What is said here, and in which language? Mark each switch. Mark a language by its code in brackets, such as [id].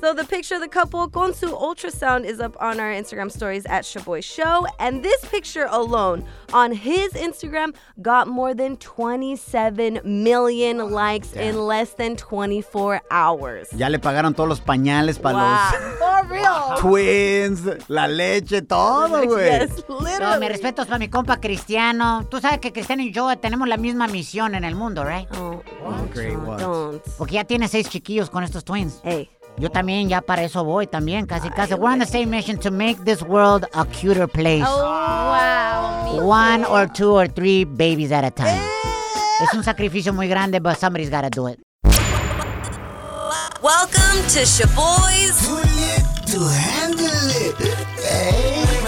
[en] So the picture of the couple [es] con su [en] ultrasound is up on our Instagram stories at Shaboy Show. And this picture alone on his Instagram got more than 27 million likes in less than 24 hours. [es] Ya le pagaron todos los pañales para los... [en] For real. [es] Twins, la leche, todo, güey. [en] Yes, literally. [es] No, mi respeto es para mi compa Cristiano. Tú sabes que Cristiano y yo tenemos la misma misión en el mundo, right? [en] Oh, great, don't. [es] Porque ya tiene 6 chiquillos con estos twins. [en] Hey. [es] Yo también ya para eso voy también, casi casi. [en] We're on the same mission to make this world a cuter place. Oh, wow. One or two or three babies at a time. [es] Es un sacrificio muy grande, [en] but somebody's gotta do it. Welcome to Shaboy's. Too lit to handle it, hey.